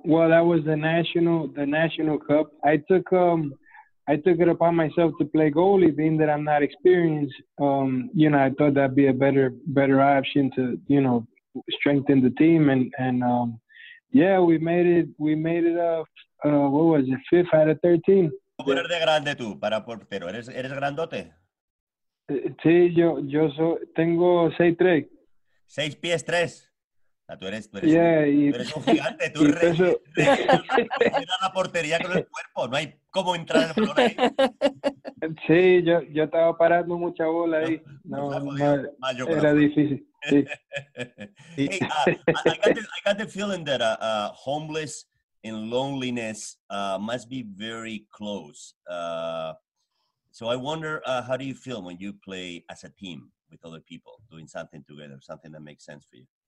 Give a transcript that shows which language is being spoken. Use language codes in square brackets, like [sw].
[en] Well, that was the national cup. I took it upon myself to play goalie, being that I'm not experienced. You know, I thought that'd be a better option to, you know, strengthen the team and yeah, we made it what was it, 5 out of 13. [es] ¿Cómo eres de grande tú para portero? ¿Eres grandote? Sí, yo tengo 6'3". 6 pies 3. Tú eres gigante, tú eres peso... re... la portería con el cuerpo, no hay cómo entrar el balón ahí. Sí, yo estaba parando mucha bola ahí. No, era difícil. Sí. [en] Hey, I got the feeling that homeless and loneliness must be very close. So I wonder, how do you feel when you play as a team with other people, doing something together, something that makes sense for you?